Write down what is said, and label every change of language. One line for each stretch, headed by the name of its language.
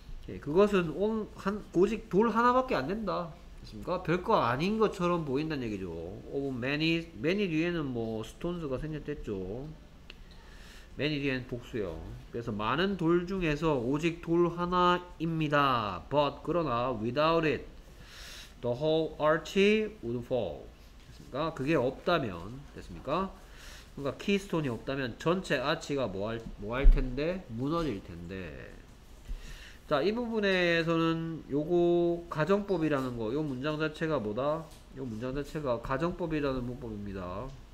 Korean: 예, 그것은 고직 돌 하나밖에 안 된다. 그렇습니까? 별거 아닌 것처럼 보인다는 얘기죠. 오브 매니 뒤에는 뭐 스톤즈가 생겼댔죠. 매니 뒤엔 복수요. 그래서 많은 돌 중에서 오직 돌 하나입니다.
English: But
Korean: 그러나
English: without it, the whole arch would fall.
Korean: 됐습니까? 그게 없다면 됐습니까? 그러니까 키스톤이 없다면 전체 아치가 뭐 할 텐데 무너질 텐데. 자, 이 부분에서는 요거 가정법이라는 거, 요 문장 자체가 뭐다? 요 문장 자체가 가정법이라는 문법입니다.